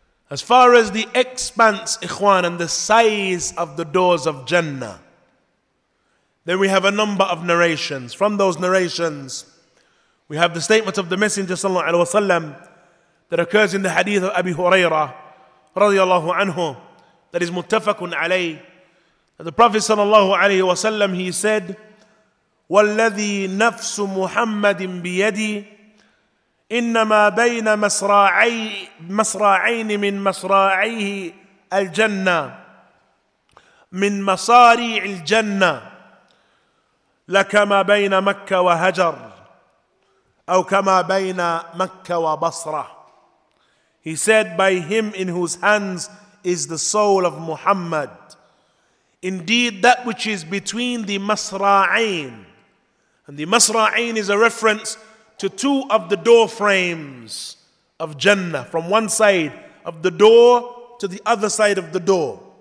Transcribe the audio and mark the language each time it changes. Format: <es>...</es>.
<en>As far as the expanse, ikhwan, and the size of the doors of Jannah, then we have a number of narrations. From those narrations, we have the statement of the Messenger sallallahu alaihi wasallam that occurs in the hadith of Abi Hurairah radiallahu anhu, that is muttafaqun alayh. The Prophet sallallahu alaihi wasallam, he said,</en> <ar>وَالَّذِي نَفْسُ مُحَمَّدٍ بِيَدِي إِنَّمَا بَيْنَ مَسْرَاعَيْنِ مِنْ مَسْرَاعَيْهِ الْجَنَّةِ مِنْ مَصَارِيعِ الْجَنَّةِ لَكَمَا بَيْنَ مَكَّةَ وَهَجَرْ أَوْ كَمَا بَيْنَ مَكَّةَ وَبَصْرَةَ.</ar> <en>He said, by him in whose hands is the soul of Muhammad, indeed, that which is between the Masra'ain. And the Masra'ain is a reference to two of the door frames of Jannah, from one side of the door to the other side of the door.</en>